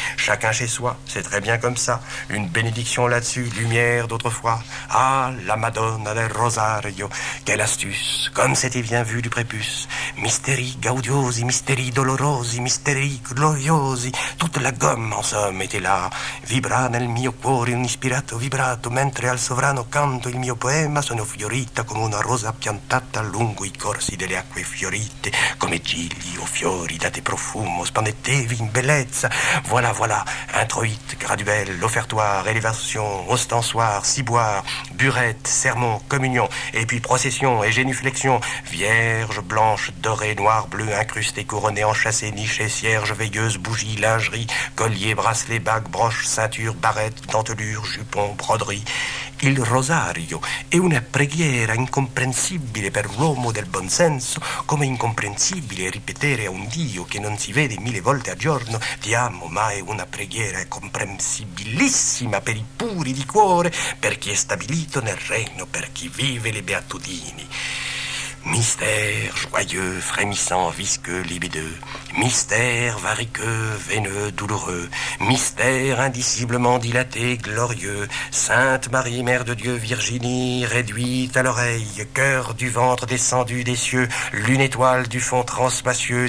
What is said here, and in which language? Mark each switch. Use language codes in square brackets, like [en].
[fr] Chacun chez soi, c'est très bien comme ça. Une bénédiction là-dessus, lumière d'autrefois. Ah, la Madonna del Rosario, quelle astuce, comme c'était bien vu du prépuce. [la] Mysterii gaudiosi, mysterii dolorosi, mysterii gloriosi. [fr] Toute la gomme, en somme, était là. [it] Vibra nel mio cuore un ispirato vibrato, mentre al sovrano canto il mio poema sono fiorita come una rosa piantata lungo i corsi delle acque fiorite, come gigli o fiori date profumo, spandettevi in bellezza. [fr] Voilà, voilà, introite, graduelle, offertoire, élévation, ostensoire, ciboire, burette, sermon, communion, et puis procession et génuflexion, vierge, blanche, dorée, noire, bleue, incrustée, couronnée, enchâssée, nichée, cierge, veilleuse, bougie, lingerie, collier, bracelet, bague, broche, ceinture, barrette, dentelure, jupon, broderie. [it] Il rosario è una preghiera incomprensibile per l'uomo del buon senso, come incomprensibile ripetere a un Dio che non si vede mille volte al giorno, ti amo, ma è una preghiera comprensibilissima per i puri di cuore, per chi è stabilito nel regno, per chi vive le beatitudini. [fr] Mystère joyeux, frémissant, visqueux, libideux. Mystère variqueux, veineux, douloureux. Mystère indiciblement dilaté, glorieux. Sainte Marie, Mère de Dieu, Virginie, réduite à l'oreille. Cœur du ventre descendu des cieux. Lune étoile du fond transpacieux.